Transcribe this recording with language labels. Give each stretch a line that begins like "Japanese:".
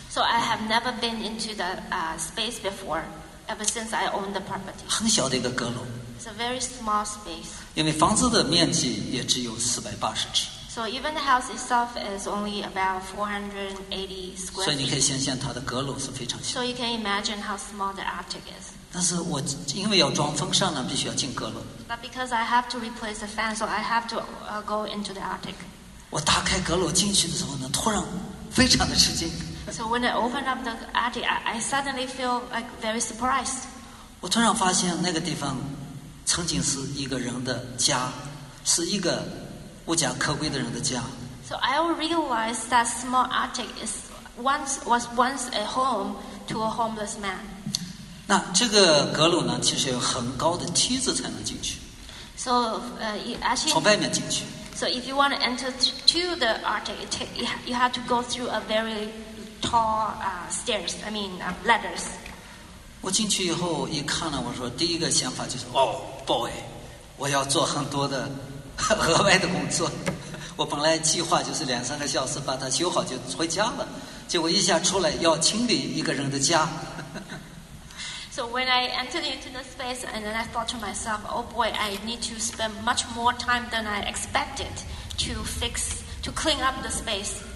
English: So I have never been into the space before, ever since I owned the property.
Chinese: 很小的一个阁楼。
English: It's a very small space.
Chinese: 因为房子的面积也只有480尺。
English: So even the house itself is only about 480 square feet.
Chinese: 所以你可以想象它的阁楼是非常小。
English: So you can imagine how small the attic is.
Chinese: 但是我因为要装风扇呢，必须要进阁楼。
English: But because I have to replace the fan, so I have to go into the attic.
Chinese: 我打开阁楼进去的时候呢，突然非常的吃惊。
English: So when I opened up the attic, I suddenly feel like very surprised.
Chinese: 我突然发现那个地方曾经是一个人的家，是一个无家可归的人的家。
English: So I realized that small attic was once a home to a homeless man.
Chinese: 那这个阁楼呢，其实有很高的梯子才能进去。
English: So actually
Chinese: 从外面进去。
English: So if you want to enter to the attic, you have to go through a very tall stairs. I mean ladders.
Chinese: 我进去以后一看呢，我说第一个想法就是，哦 ，
English: boy，
Chinese: 我要做很多的。额外的工作，我本来计划就是两三个小时把它修好就回家了，结果一下出来要清理一个人的家。
English: So when I entered into the space, and then I thought to myself, oh boy, I need to spend much more time than I expected to clean up the space.